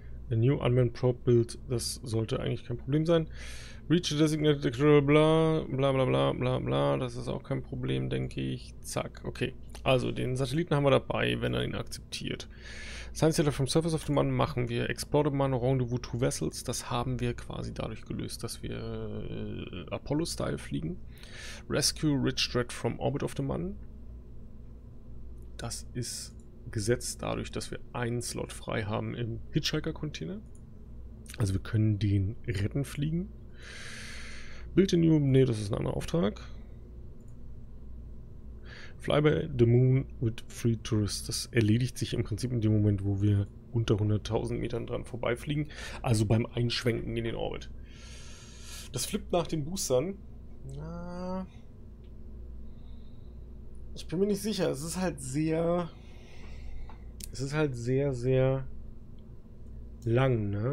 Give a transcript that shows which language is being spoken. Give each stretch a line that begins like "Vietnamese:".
English: A new Unmanned Probe Build,
German: das sollte eigentlich kein Problem sein. Reach Designated Actual, bla bla bla bla bla bla. Das ist auch kein Problem, denke ich. Zack, okay. Also, den Satelliten haben wir dabei, wenn er ihn akzeptiert.
English: Science Data from Surface of the Moon
German: machen wir.
English: Explore the Moon, Rendezvous to Vessels.
German: Das haben wir quasi dadurch gelöst, dass wir Apollo-Style fliegen.
English: Rescue Rich Dread from Orbit of the Moon.
German: Das ist gesetzt dadurch, dass wir einen Slot frei haben im Hitchhiker-Container. Also wir können den retten fliegen.
English: Build a new,
German: nee, das ist ein anderer Auftrag.
English: Fly by the Moon with Free Tourists.
German: Das erledigt sich im Prinzip in dem Moment, wo wir unter 100.000 Metern dran vorbeifliegen. Also beim Einschwenken in den Orbit. Das flippt nach den Boostern. Na, ich bin mir nicht sicher. Es ist halt sehr... Es ist halt sehr, sehr lang, ne?